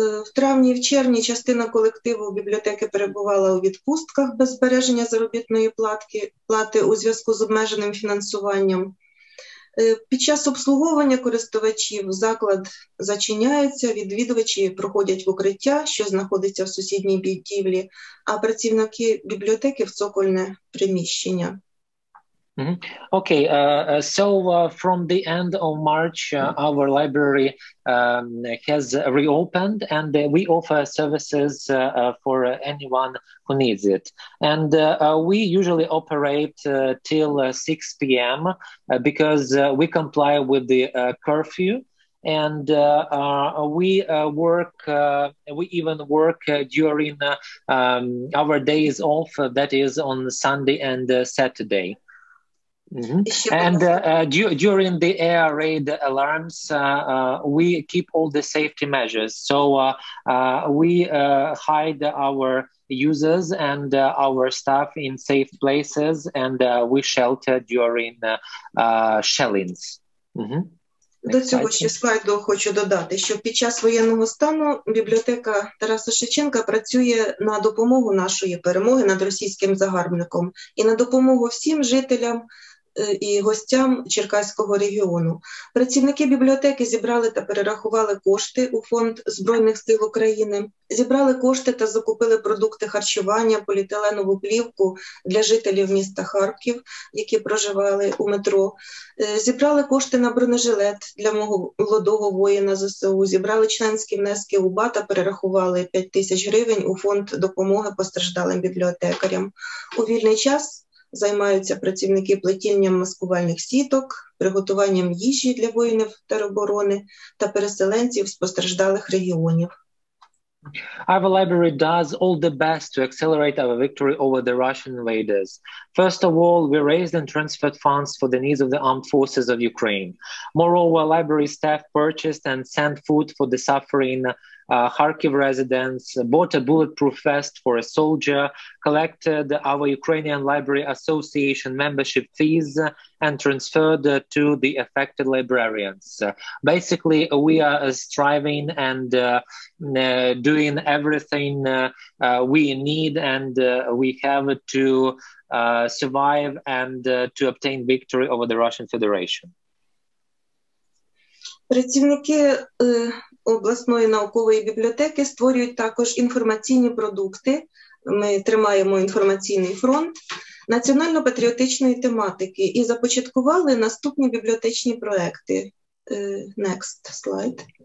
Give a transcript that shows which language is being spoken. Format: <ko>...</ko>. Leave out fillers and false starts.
<uk>В травні і в червні частина колективу бібліотеки перебувала у відпустках без збереження заробітної плати у зв'язку з обмеженим фінансуванням. Під час обслуговування користувачів заклад зачиняється, відвідувачі проходять в укриття, що знаходиться в сусідній будівлі, а працівники бібліотеки в цокольне приміщення.</uk> <en>Okay, so from the end of March, our library has reopened and we offer services for anyone who needs it. And we usually operate till 6 p.m. Because we comply with the curfew. And we even work during our days off, that is on Sunday and Saturday. Mm-hmm. And during the air raid alarms, we keep all the safety measures. So we hide our users and our staff in safe places, and we shelter during shellings. Mm-hmm.</en> <uk>До цього ще слайду хочу додати, що під час воєнного стану бібліотека Тараса Шевченка працює на допомогу нашої перемоги над російським загарбником і на допомогу всім жителям і гостям Черкаського регіону. Працівники бібліотеки зібрали та перерахували кошти у фонд Збройних сил України, зібрали кошти та закупили продукти харчування, поліетиленову плівку для жителів міста Харків, які проживали у метро, зібрали кошти на бронежилет для мого молодого воїна ЗСУ, зібрали членські внески у БАТ та перерахували 5 тисяч гривень у фонд допомоги постраждалим бібліотекарям. У вільний час займаються працівники плетінням маскувальних сіток, приготуванням їжі для воїнів тероборони та переселенців з постраждалих регіонів.</uk> <en>Our library does all the best to accelerate our victory over the Russian invaders. First of all, we raised and transferred funds for the needs of the armed forces of Ukraine. Moreover, library staff purchased and sent food for the suffering Kharkiv residents, bought a bulletproof vest for a soldier, collected our Ukrainian Library Association membership fees, and transferred to the affected librarians. Basically, we are striving and doing everything we need and we have to survive and to obtain victory over the Russian Federation.</en> <uk>Працівники обласної наукової бібліотеки створюють також інформаційні продукти. Ми тримаємо інформаційний фронт національно-патріотичної тематики і започаткували наступні бібліотечні проекти.</uk> <en>Next slide.</en>